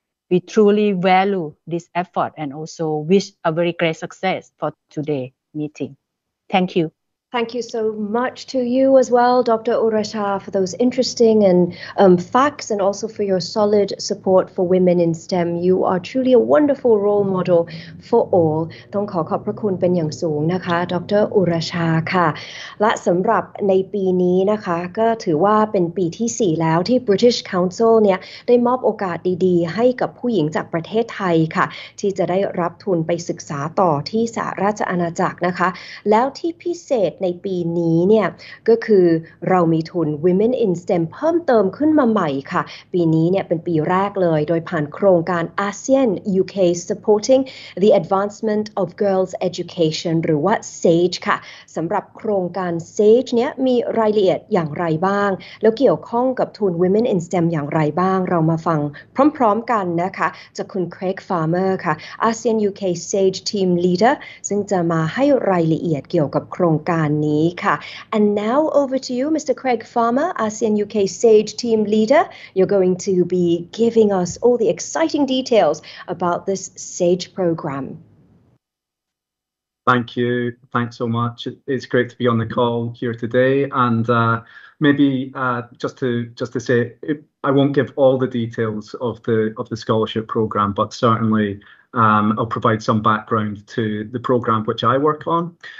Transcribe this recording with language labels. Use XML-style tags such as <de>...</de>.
<en>We truly value this effort and also wish a very great success for today's meeting. Thank you. Thank you so much to you as well, Dr. Urasha, for those interesting and facts and also for your solid support for women in STEM. You are truly a wonderful role model for all.</en> <th>ต้องขอขอบพระคุณเป็นอย่างสูงนะคะ Dr. Urasha ค่ะและสำหรับในปีนี้นะคะก็ถือว่าเป็นปีที่4แล้วที่ British Council เนี่ยได้มอบโอกาสดีๆให้กับผู้หญิงจากประเทศไทยค่ะที่จะได้รับทุนไปศึกษาต่อที่สหราชอาณาจักรนะคะ แล้วที่พิเศษในปีนี้เนี่ยก็คือเรามีทุน Women in STEM เพิ่มเติมขึ้นมาใหม่ค่ะปีนี้เนี่ยเป็นปีแรกเลยโดยผ่านโครงการ ASEAN UK Supporting the Advancement of Girls Education หรือว่า SAGE ค่ะสำหรับโครงการ SAGE เนี่ยมีรายละเอียดอย่างไรบ้างแล้วเกี่ยวข้องกับทุน Women in STEM อย่างไรบ้างเรามาฟัง พร้อมๆกันนะคะจากคุณ Craig Farmer ค่ะ ASEAN UK SAGE Team Leader ซึ่งจะมาให้รายละเอียดเกี่ยวกับโครงการ</th> <en>And now over to you, Mr. Craig Farmer, ASEAN UK SAGE team leader. You're going to be giving us all the exciting details about this SAGE program. Thank you. Thanks so much. It's great to be on the call here today. And maybe just to say, I won't give all the details of the scholarship program, but certainly I'll provide some background to the program which I work on.</en>